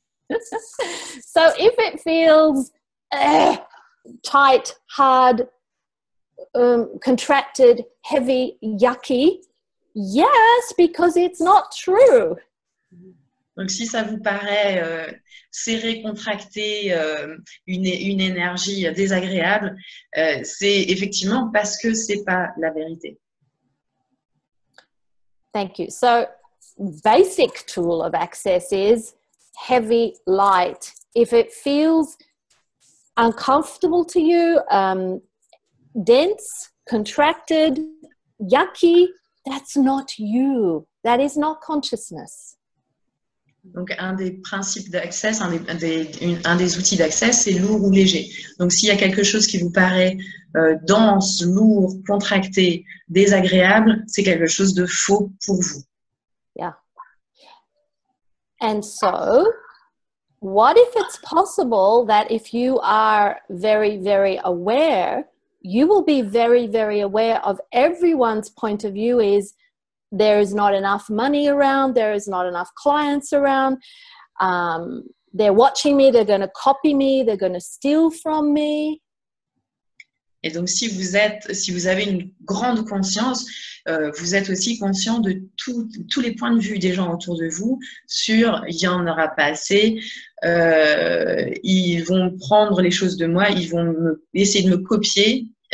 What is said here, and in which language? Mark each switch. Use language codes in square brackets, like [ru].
[en] So if it feels tight, hard, contracted, heavy, yucky, yes, because it's not true. [fr] Donc si ça vous paraît serré, contracté, une énergie désagréable, c'est effectivement parce que c'est pas la vérité. [en] Thank you. So basic tool of access is heavy, light. If it feels uncomfortable to you, dense, contracted, yucky, that's not you. That is not consciousness. [fr] Donc, un des principes d'accès, un des outils d'accès, c'est lourd ou léger. Donc, s'il y a quelque chose qui vous paraît dense, lourd, contracté, désagréable, c'est quelque chose de faux pour vous. [en] Yeah. And so, what if it's possible that if you are very, very aware, you will be very, very aware of everyone's point of view is there is not enough money around, there is not enough clients around, they're watching me, they're going to copy me, they're going to steal from me. [fr] Et donc si vous avez une grande conscience, vous êtes aussi conscient de tous les points de vue des gens autour de vous sur il n'y en aura pas assez, ils vont prendre les choses de moi, ils vont essayer de me copier.